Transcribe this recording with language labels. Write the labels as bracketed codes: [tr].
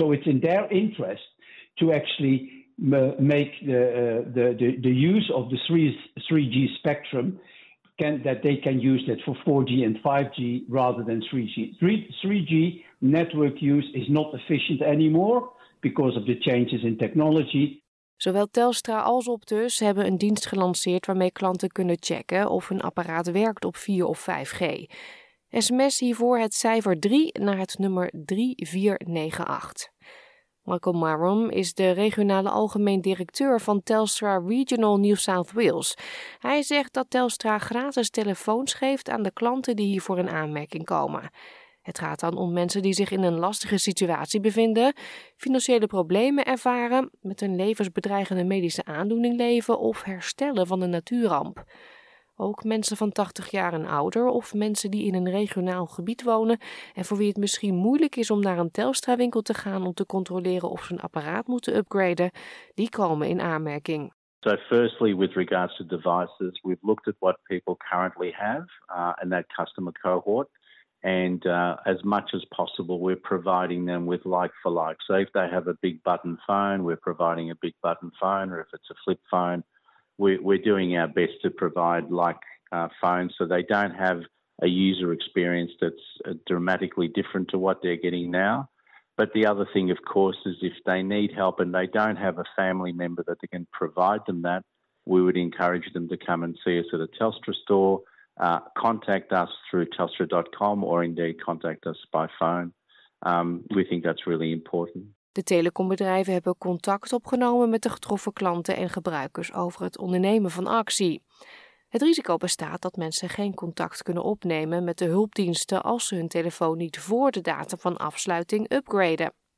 [en] So it's in their interest to actually make the use of the 3G spectrum that they can use that for 4G and 5G rather than 3G. 3G network use is not efficient anymore because of the changes in technology. [nl] Zowel Telstra als Optus hebben een dienst gelanceerd waarmee klanten kunnen checken of hun apparaat werkt op 4 of 5G. SMS hiervoor het cijfer 3 naar het nummer 3498. Michael Marum is de regionale algemeen directeur van Telstra Regional New South Wales. Hij zegt dat Telstra gratis telefoons geeft aan de klanten die hiervoor in aanmerking komen. Het gaat dan om mensen die zich in een lastige situatie bevinden, financiële problemen ervaren, met een levensbedreigende medische aandoening leven of herstellen van een natuurramp. Ook mensen van 80 jaar en ouder of mensen die in een regionaal gebied wonen en voor wie het misschien moeilijk is om naar een Telstra-winkel te gaan om te controleren of ze een apparaat moeten upgraden, die komen in aanmerking. [en] So firstly, with regards to devices, we've looked at what people currently have in that customer cohort. And as much as possible, we're providing them with like for like. So if they have a big button phone, we're providing a big button phone. Or if it's a flip phone, we're doing our best to provide like phones so they don't have a user experience that's dramatically different to what they're getting now. But the other thing, of course, is if they need help and they don't have a family member that they can provide them that, we would encourage them to come and see us at a Telstra store, contact us through telstra.com or indeed contact us by phone. We think that's really important. [nl] De telecombedrijven hebben contact opgenomen met de getroffen klanten en gebruikers over het ondernemen van actie. Het risico bestaat dat mensen geen contact kunnen opnemen met de hulpdiensten als ze hun telefoon niet voor de datum van afsluiting upgraden.